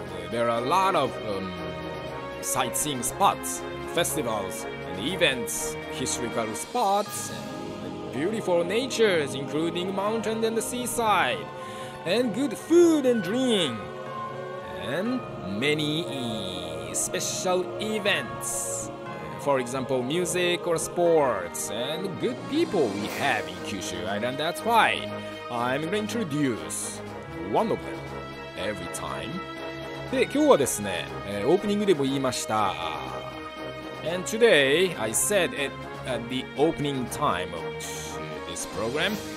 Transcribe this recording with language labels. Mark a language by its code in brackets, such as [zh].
[en] there are a lot of sightseeing spots, festivals and events, historical spots and beautiful natures, including mountains and the seaside, and good food and drink, and many special events, for example, music or sports, and good people we have in Kyushu Island, that's why. I'm going to introduce one of them every time. [ja] で、今日はですね、オープニングでも言いました。 [en] And today I said it at the opening time of this program.